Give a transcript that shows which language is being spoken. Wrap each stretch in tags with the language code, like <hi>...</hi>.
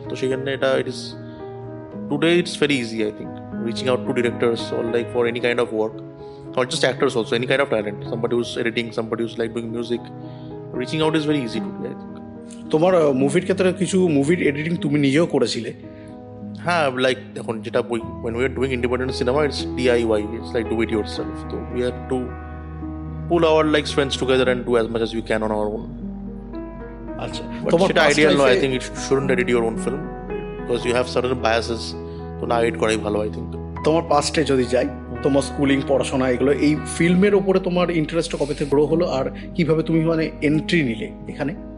<bn>তো সেখানে এটা</bn> <en>It is today it's very easy I think reaching out to directors or like for any kind of work, not just actors also, any kind of talent, somebody who's editing, somebody who's like doing music, reaching out is very easy to do.</en> <bn>তোমার মুভির ক্ষেত্রে কিছু মুভির editing তুমি নিজেও করেছিলে?</bn> <en>হ্যাঁ, লাইক</en> <bn>এখন যেটা বই</bn> <en>when we are doing independent cinema it's DIY, it's like do it yourself, so we have to pull our like strengths together and do as much as we can on our own.</en> <bn>আচ্ছা, তোমার সেটা ideal নয়,</bn> <en>I think it shouldn't edit your own film because you have certain biases,</en> <bn>তো না edit করাই ভালো</bn> <en>I think.</en> <bn>তোমার পাস্টে যদি যাই, তোমার স্কুলিং পড়াশোনা এগুলো, এই ফিল্মের উপরে তোমার ইন্টারেস্ট কবে থেকে গ্রো হলো আর কিভাবে তুমি মানে এন্ট্রি নিলে এখানে?</bn>